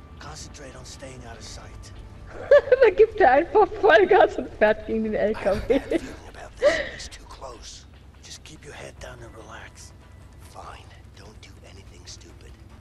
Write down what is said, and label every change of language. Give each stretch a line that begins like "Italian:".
English: Concentrate on staying out of sight.
German: Da gibt er einfach Vollgas und fährt gegen den LKW.
English: It's too close. Just keep your head down and relax. Fine. Don't do anything stupid.